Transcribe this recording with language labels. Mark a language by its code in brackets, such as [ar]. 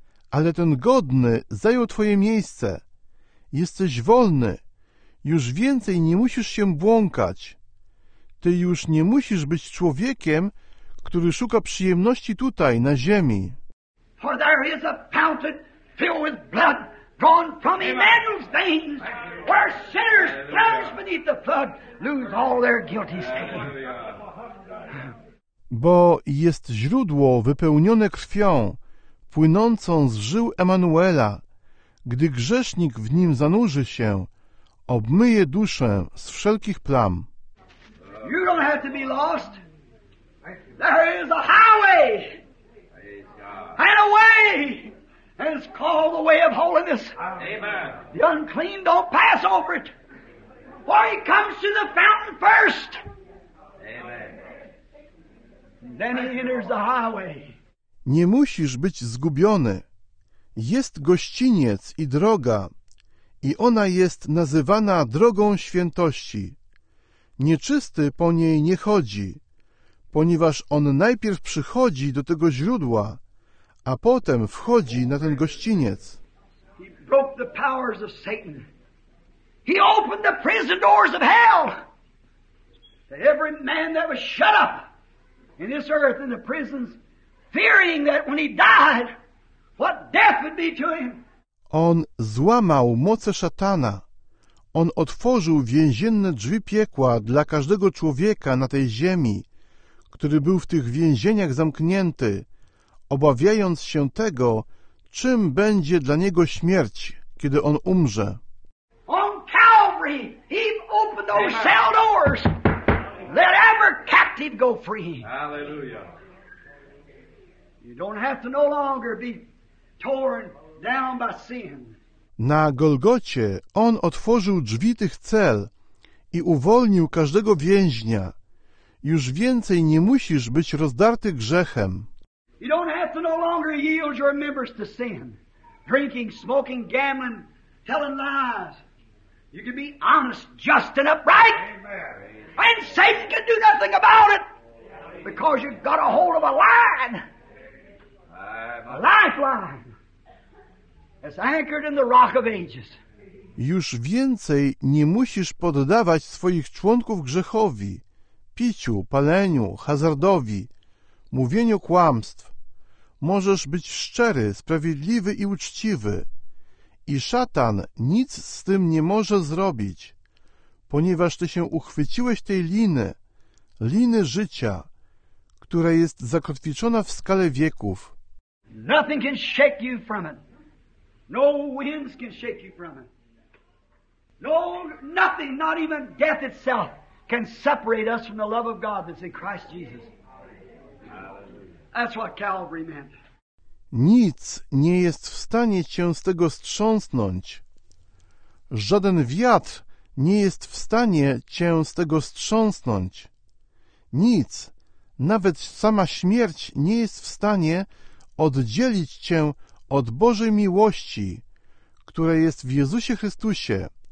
[pl] Ale ten godny zajął twoje miejsce. Jesteś wolny. Już więcej nie musisz się błąkać. Ty już nie musisz być człowiekiem, który szuka przyjemności tutaj, na ziemi. [en] For there is a fountain filled with blood drawn from Emmanuel's veins, where sinners plunged beneath the flood lose all their guilty stain. [pl] Bo jest źródło wypełnione krwią, płynącą z żył Emanuela. Gdy grzesznik w nim zanurzy się, obmyje duszę z wszelkich plam. [en] You don't have to be lost. There is a highway and a way, and it's called the way of holiness. Amen. The unclean don't pass over it. Why, he comes to the fountain first. Amen. Then he enters the highway. [pl] Nie musisz być zgubiony. Jest gościniec i droga, i ona jest nazywana drogą świętości. Nieczysty po niej nie chodzi, ponieważ on najpierw przychodzi do tego źródła, a potem wchodzi na ten gościniec. [en] He broke the powers of Satan. He opened the prison doors of hell. To every man that was shut up in this earth in the prisons, fearing that when he died, what death would be to him. [pl] On złamał moce szatana. On otworzył więzienne drzwi piekła dla każdego człowieka na tej ziemi, który był w tych więzieniach zamknięty, obawiając się tego, czym będzie dla niego śmierć, kiedy on umrze. [en] On Calvary, he opened those cell doors. Let every captive go free. Hallelujah. You don't have to no longer be torn down by sin. [pl] Na Golgocie on otworzył drzwi tych cel i uwolnił każdego więźnia. Już więcej nie musisz być rozdarty grzechem. [en] You don't have to no longer yield your members to sin. Drinking, smoking, gambling, telling lies. You can be honest, just and upright. Amen. And Satan can do nothing about it. Because you've got a hold of a line. A lifeline. It's anchored in the rock of ages. [pl] Już więcej nie musisz poddawać swoich członków grzechowi, piciu, paleniu, hazardowi, mówieniu kłamstw. Możesz być szczery, sprawiedliwy i uczciwy. I szatan nic z tym nie może zrobić, ponieważ ty się uchwyciłeś tej liny, liny życia, która jest zakotwiczona w skale wieków. [en] Nothing can shake you from it. No winds can shake you from it. No, nothing, not even death itself, can separate us from the love of God that's in Christ Jesus. That's what Calvary meant. [pl] Nic nie jest w stanie cię z tego strząsnąć. Żaden wiatr nie jest w stanie cię z tego strząsnąć. Nic, nawet sama śmierć, nie jest w stanie oddzielić cię od Bożej miłości, która jest w Jezusie Chrystusie.